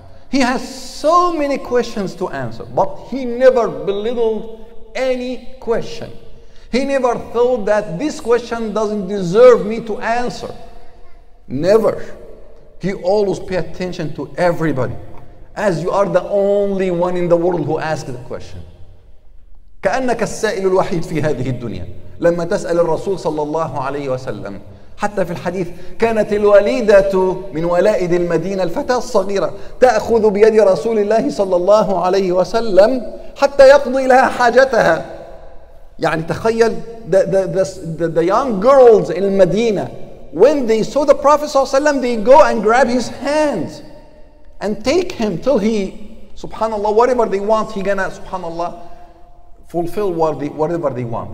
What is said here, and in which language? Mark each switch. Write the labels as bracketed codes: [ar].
[en] He has so many questions to answer, but he never belittled any question. He never thought that this question doesn't deserve me to answer. Never. He always pay attention to everybody, as you are the only one in the world who asked the question. [ar] كأنك السائل الوحيد في هذه الدنيا لما تسأل الرسول صلى الله عليه وسلم. حتى في الحديث كانت الوليدة من ولائد المدينة الفتاة الصغيرة تأخذ بيد رسول الله صلى الله عليه وسلم حتى يقضي لها حاجتها. يعني تخيل [en] the young girls in المدينة, when they saw the Prophet [ar] صلى الله عليه وسلم, [en] they go and grab his hands and take him till he, subhanallah, whatever they want, he gonna, subhanallah, fulfill whatever they want.